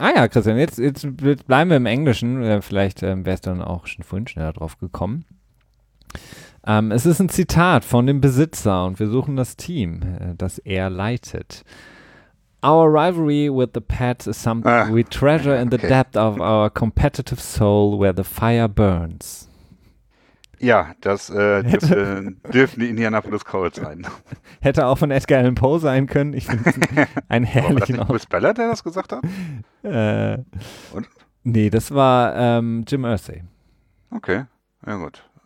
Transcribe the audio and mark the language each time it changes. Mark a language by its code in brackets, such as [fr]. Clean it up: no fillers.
[de] Christian, jetzt bleiben wir im Englischen. Vielleicht wärst du dann auch schon vorhin schneller drauf gekommen. Es ist ein Zitat von dem Besitzer und wir suchen das Team, das er leitet. [en] Our rivalry with the Pats is something we treasure in the depth of our competitive soul where the fire burns. [de] Ja, das dürfen die Indianapolis Colts sein. Hätte auch von Edgar Allan Poe sein können. Ich finde es einen herrlichen Ort. War das nicht Bruce Ballard, der das gesagt hat? Und? Nee, das war Jim Irsay. Okay, ja gut.